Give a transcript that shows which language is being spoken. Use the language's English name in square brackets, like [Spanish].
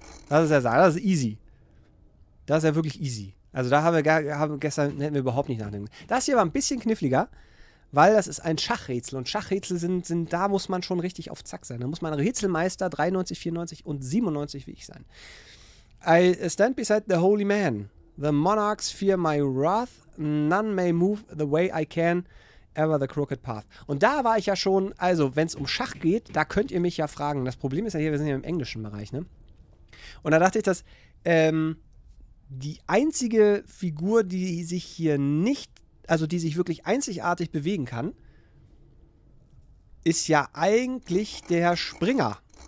[German] Das ist der Sarg. Das ist easy. Das ist ja wirklich easy. Also da hätten wir überhaupt nicht nachdenken. Das hier war ein bisschen kniffliger. Weil das ist ein Schachrätsel und Schachrätsel sind, da muss man schon richtig auf Zack sein. Da muss man Rätselmeister 93, 94 und 97 wie ich sein. [English] I stand beside the holy man. The monarchs fear my wrath. None may move the way I can ever the crooked path. [German] Und da war ich ja schon, also wenn es um Schach geht, da könnt ihr mich ja fragen. Das Problem ist ja hier, wir sind ja im englischen Bereich, ne? Und da dachte ich, dass die einzige Figur, die sich hier nicht, also die sich wirklich einzigartig bewegen kann, ist ja eigentlich der Springer.